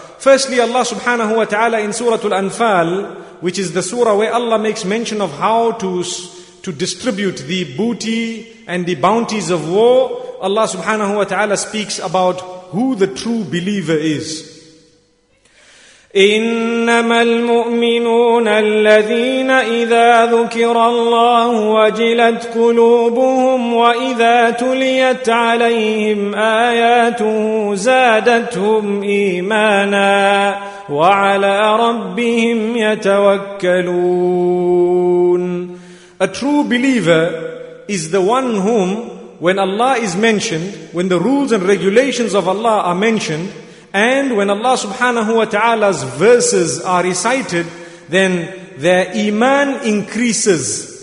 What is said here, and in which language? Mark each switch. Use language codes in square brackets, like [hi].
[en] Firstly, Allah subhanahu wa ta'ala in Surah Al-Anfal, which is the surah where Allah makes mention of how to distribute the booty and the bounties of war, Allah subhanahu wa ta'ala speaks about who the true believer is. [ar] إنما المؤمنون الذين إذا ذكر الله وجلت قلوبهم وإذا تليت عليهم آياته زادتهم إيمانا وعلى ربهم يتوكلون. [en] A true believer is the one whom, when Allah is mentioned, when the rules and regulations of Allah are mentioned, and when Allah subhanahu wa ta'ala's verses are recited, then their iman increases.